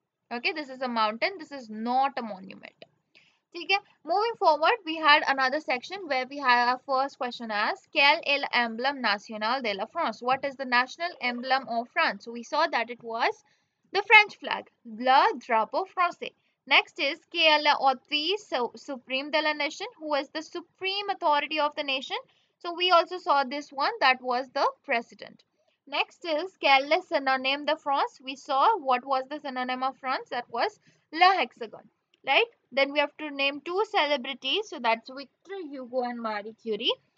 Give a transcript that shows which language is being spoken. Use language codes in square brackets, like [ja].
[en] Okay, this is a mountain. This is not a monument. Okay, moving forward, we had another section where we have our first question as [fr] Quel est l'emblème national de la France? [en] What is the national emblem of France? So we saw that it was the French flag. [fr] Le drapeau français. [en] Next is [fr] Quel est l'autorité suprême de la nation? [en] Who is the supreme authority of the nation? So we also saw this one, that was the president. Next is [fr] quel est [en] synonym de France? We saw what was the synonym of France, that was [fr] le hexagon, [en] right? Then we have to name two celebrities, so that's Victor Hugo and Marie Curie.